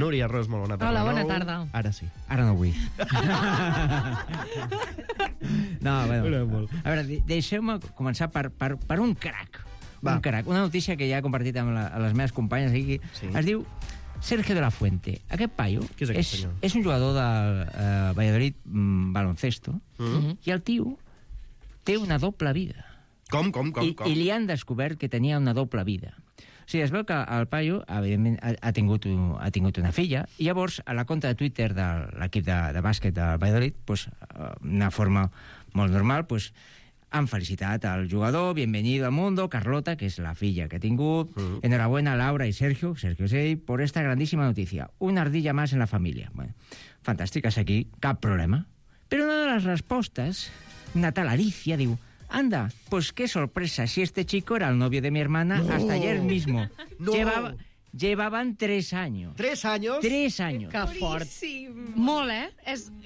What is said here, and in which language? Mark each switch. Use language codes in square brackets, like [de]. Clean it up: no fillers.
[ca] Núria Ros, molt bona tarda. Hola, bona tarda. Ara sí. Ara no vull. No, bueno. A veure, deixeu-me començar per un crac. Va. Un crac, una notícia que ja he compartit amb les meves companyes aquí. Sí. Es diu Sergio de la Fuente. Aquest paio és un jugador del Valladolid baloncesto. Mm-hmm. I el tio té una doble vida. Com? I li han descobert que tenia una doble vida. O sigui, es veu que el paio, evidentment, ha tingut una filla, i llavors, a la compte de Twitter de l'equip de bàsquet del Valladolid, pues, una forma molt normal, pues, han felicitat al jugador, [es] bienvenido al mundo, [ca] Carlota, que és la filla que ha tingut. Uh-huh. [es] Enhorabuena a Laura i Sergio Sey, por esta grandísima noticia. Una ardilla más en la familia. [ca] Bueno, fantàstiques aquí, cap problema. Però una de les respostes, una tal Alicia, diu: [es] anda, pues qué sorpresa, si este chico era el novio de mi hermana no. Hasta ayer mismo. No. Llevaban 3 años. ¿Tres años? 3 años. [ca] Que fort. Molt, eh?